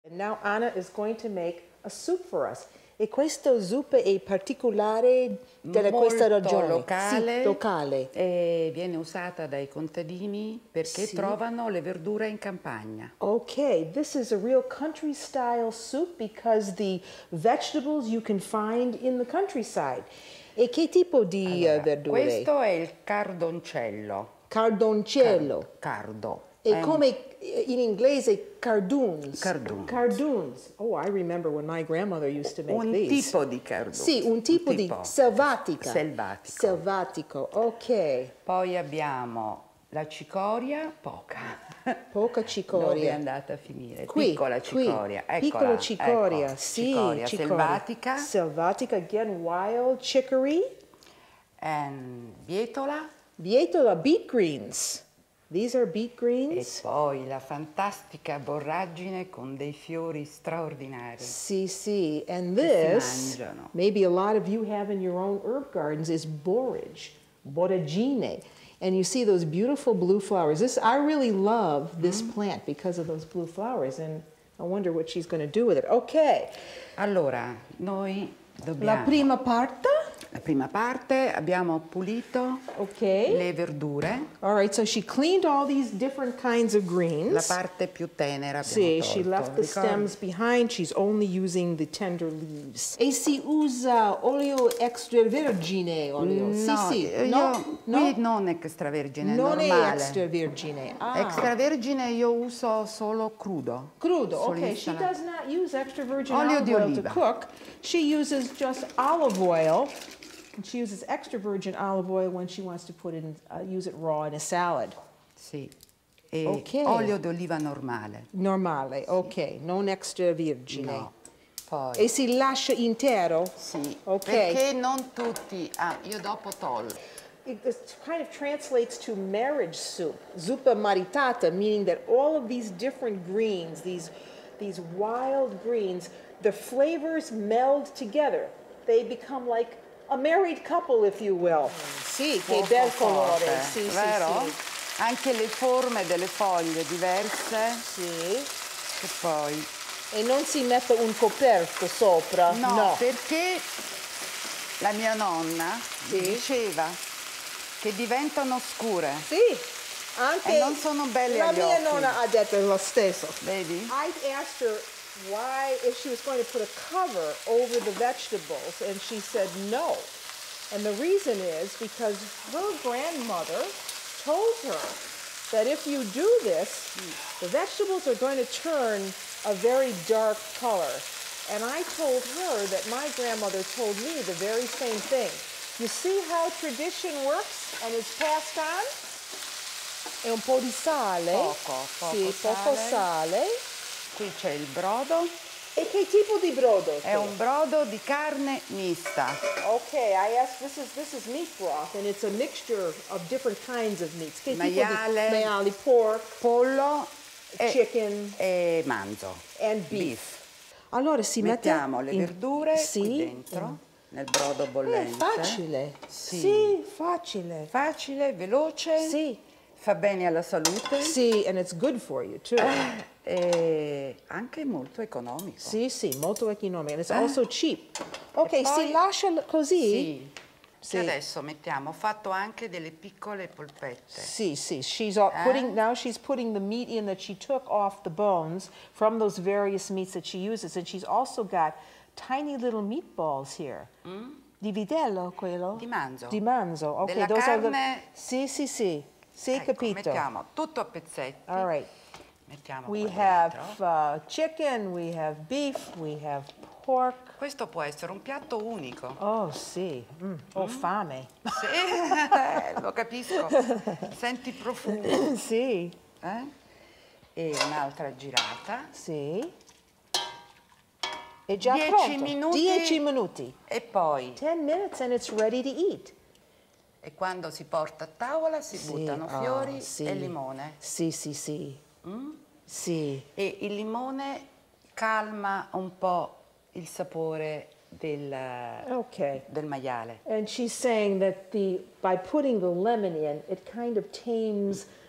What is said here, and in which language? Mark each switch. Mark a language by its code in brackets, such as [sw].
[en] Now Anna is going to make a soup for us. [it] E questo zuppo è particolare della questa regione. Molto locale. Sì, locale. E viene usata dai contadini perché sì. Trovano le verdure in campagna. [en] Ok, this is a real country style soup because the vegetables you can find in the countryside. [it] E che tipo di verdure? Questo è il cardoncello. Cardoncello. Cardo. E come in inglese cardoons. [en] Cardoons. Cardoons. Oh, I remember when my grandmother used to make [it] un [en] these. [it] Un tipo di cardoons. Sì, un tipo di selvatica. Selvatico. Selvatico, ok. Poi abbiamo la cicoria, poca. Poca cicoria. Dove è andata a finire? Qui, piccola cicoria. Qui. Piccola cicoria, ecco. Sì. Cicoria. Selvatica. [en] Selvatica, again wild chicory. And bietola. Bietola, beet greens. These are beet greens. [it] E poi la fantastica borragine con dei fiori straordinari. Sì, sì. [en] And this, maybe a lot of you have in your own herb gardens, is borage, borragine. And you see those beautiful blue flowers. This, I really love this plant because of those blue flowers. And I wonder what she's going to do with it. Okay. [it] Allora, noi dobbiamo... La prima parte abbiamo pulito le verdure. [en] All right, so she cleaned all these different kinds of greens. [it] La parte più tenera abbiamo tolto. Sì, [en] she left the stems behind. She's only using the tender leaves. [it] E si usa olio extravergine, Qui non extravergine, normale. Non è extravergine. Ah. Extravergine io uso solo crudo. Crudo, okay. [en] She does not use extra virgin [it] olio [en] olive oil [it] di oliva. [en] To cook. She uses just olive oil. And she uses extra virgin olive oil when she wants to put in, use it raw in a salad. [it] Sì. E okay. Olio d'oliva normale. Normale, sì. Ok. Non extra virgine. No. Poi. E si lascia intero? Sì. Ok. Perché non tutti. Ah, io dopo tolgo. [en] It kind of translates to marriage soup. Zuppa maritata, meaning that all of these different greens, these wild greens, the flavors meld together. They become like a married couple, if you will. [it] Sì, che bel colore. Sì, vero? Sì, sì. Anche le forme delle foglie diverse. Sì. E poi... E non si mette un coperto sopra? No, no. Perché la mia nonna diceva che diventano scure. Sì. Anche e non sono belle agli La mia nonna ha detto lo stesso. Vedi? [en] I asked her... Why, if she was going to put a cover over the vegetables, and she said no. And the reason is because her grandmother told her that if you do this, the vegetables are going to turn a very dark color. And I told her that my grandmother told me the very same thing. You see how tradition works and is passed on? [it] E un po' di sale. Poco sale. Qui c'è il brodo. E che tipo di brodo? È un brodo di carne mista. [en] Okay, I asked, this is meat broth and it's a mixture of different kinds of meats. [it] Che maiale, tipo di maiale, pork, pollo, [en] chicken [it] e manzo. [en] And beef. [it] Allora si mettiamo le verdure qui dentro nel brodo bollente. Facile. Sì. Sì, facile. Facile, veloce. Sì. Fa bene alla salute. [en] Sì, and it's good for you too. [it] E anche molto economico. Sì, sì, molto economico. And it's also cheap. Ok, si lascia così? Sì. Sì. Adesso mettiamo, ho fatto anche delle piccole polpette. Sì, sì. [en] She's putting the meat in that she took off the bones from those various meats that she uses. And she's also got tiny little meatballs here. Mm? [it] Di vitello quello? Di manzo. Di manzo. Ok, della [en] those [it] carne... are the... Sì, sì, sì. Sì, ecco, capito. Mettiamo tutto a pezzetti. [en] All right. [it] Mettiamo [en] we have chicken, we have beef, we have pork. [it] Questo può essere un piatto unico. Oh, sì. Mm. Ho fame. Sì, lo capisco. Senti profumo. Sì. E un'altra girata. Sì. È già Dieci minuti. E poi? [en] 10 minutes and it's ready to eat. [it] E quando si porta a tavola si buttano fiori e limone. Sì, sì, sì. Sì. E il limone calma un po' il sapore del maiale. [en] And she's saying that by putting the lemon in, it kind of tames